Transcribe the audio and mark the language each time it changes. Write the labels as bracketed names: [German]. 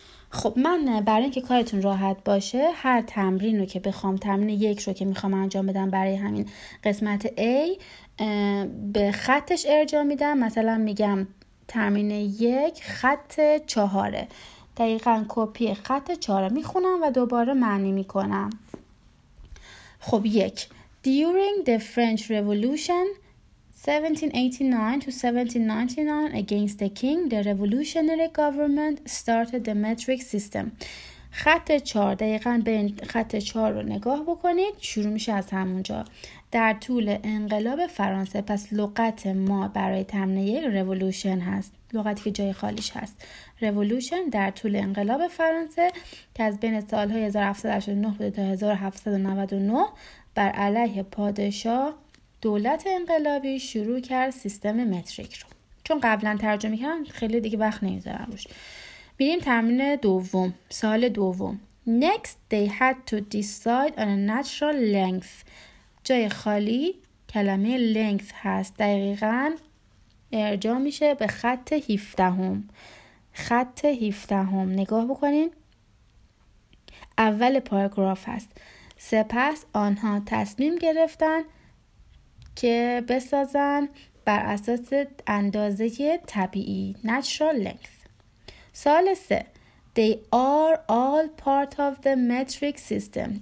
[Persian] خب من برای اینکه کارتون راحت باشه، هر تمرین رو که بخوام، تمرین یک رو که میخوام انجام بدم برای همین قسمت A، به خطش ارجاع میدم. مثلا میگم تمرین یک خط چهاره، دقیقا کپی خط چهاره میخونم و دوباره معنی میکنم. خب یک: [English] During the French Revolution 1789 to 1799 against the king, the revolutionary government started the metric system. [Persian] خط چهار، دقیقا به خط چهار رو نگاه بکنید، شروع میشه از همونجا. در طول انقلاب فرانسه، پس لغت ما برای تمرین یک revolution هست، لغتی که جای خالیش هست. revolution در طول انقلاب فرانسه که از بین سالهای 1789 بوده تا 1799، بر علیه پادشاه دولت انقلابی شروع کرد سیستم متریک رو. چون قبلا ترجمه کردم خیلی دیگه وقت نمیذارم روش. بریم تمرین دوم، سال دوم. [English] Next they had to decide on a natural length. [Persian] جای خالی کلمه length هست، دقیقا ارجاع میشه به خط 17 هم. خط 17 هم نگاه بکنین، اول پاراگراف هست. سپس آنها تصمیم گرفتن که بسازن بر اساس اندازه طبیعی، natural length. [English] سال 3: They are all part of the metric system.